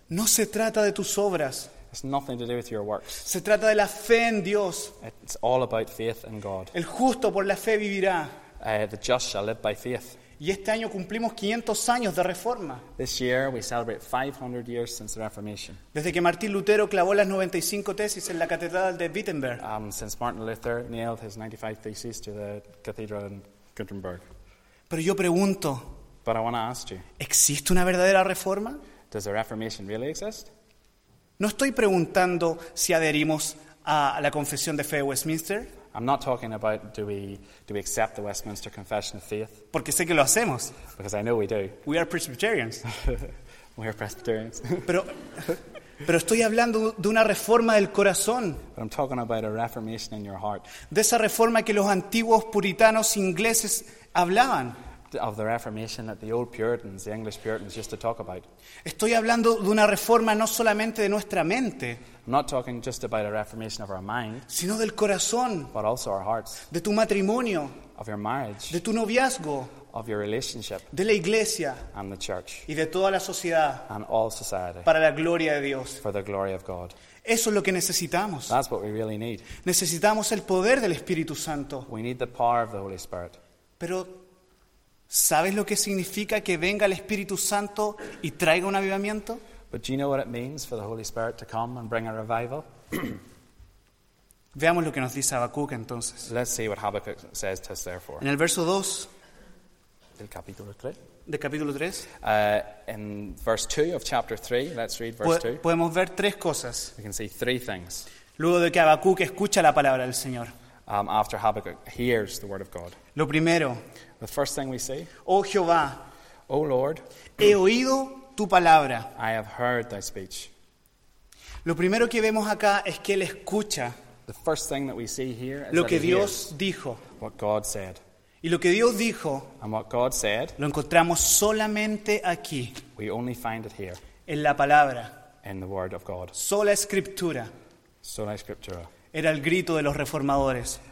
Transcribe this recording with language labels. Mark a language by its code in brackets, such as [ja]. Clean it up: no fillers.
[es] No se trata de tus obras. [en] It's nothing to do with your works. [es] Se trata de la fe en Dios. [en] It's all about faith in God. [es] El justo por la fe vivirá. [en] The just shall live by faith. [es] Y este año cumplimos 500 años de reforma. [en] This year we celebrate 500 years since the Reformation. [es] Desde que Martín Lutero clavó las 95 tesis en la catedral de Wittenberg. [en] Since Martin Luther nailed his 95 theses to the cathedral in Gutenberg. [es] Pero yo pregunto. [en] But I want to ask you. [es] ¿Existe una verdadera reforma? [en] Does the Reformation really exist? [es] No estoy preguntando si adherimos a la Confesión de Fe de Westminster. [en] I'm not talking about do we accept the Westminster Confession of Faith. [es] Porque sé que lo hacemos. [en] Because I know we do. We are Presbyterians. We are Presbyterians. [es] Pero estoy hablando de una reforma del corazón. [en] But I'm talking about a reformation in your heart. [es] De esa reforma que los antiguos puritanos ingleses hablaban. [en] Of the reformation that the old Puritans, the English Puritans, used to talk about. [es] Estoy hablando de una reforma no solamente de nuestra mente. [en] I'm not talking just about a reformation of our mind. [es] Sino del corazón. [en] But also our hearts. [es] De tu matrimonio. [en] Of your marriage. [es] De tu noviazgo. [en] Of your relationship. [es] De la iglesia. [en] And the church. [es] Y de toda la sociedad. [en] And all society. [es] Para la gloria de Dios. [en] For the glory of God. [es] Eso es lo que necesitamos. [en] That's what we really need. [es] Necesitamos el poder del Espíritu Santo. [en] We need the power of the Holy Spirit. [es] Pero ¿sabes lo que significa que venga el Espíritu Santo y traiga un avivamiento? [en] But do you know what it means for the Holy Spirit to come and bring a revival? [es] Veamos lo que nos dice Habacuc entonces. [en] Let's see what Habakkuk says to us therefore. [es] En el verso 2. Del capítulo 3. De capítulo 3. [en] In verse 2 of chapter 3, let's read verse 2. [es] Podemos ver tres cosas. [en] We can see three things. [es] Luego de que Habacuc escucha la palabra del Señor. [en] After Habakkuk hears the word of God. [es] Lo primero. [en] The first thing we see. [es] Oh Jehová. [en] Oh Lord. [es] He oído tu palabra. [en] I have heard thy speech. [es] Lo primero que vemos acá es que él escucha. [en] The first thing that we see here is [es] lo que [en] that [es] Dios [en] he hears [es] dijo. [en] What God said. [es] Y lo que Dios dijo. [en] And what God said. [es] Lo encontramos solamente aquí. [en] We only find it here. [es] En la palabra. [en] In the word of God. [es] Sola escritura. Sola escritura. Era el grito de los reformadores.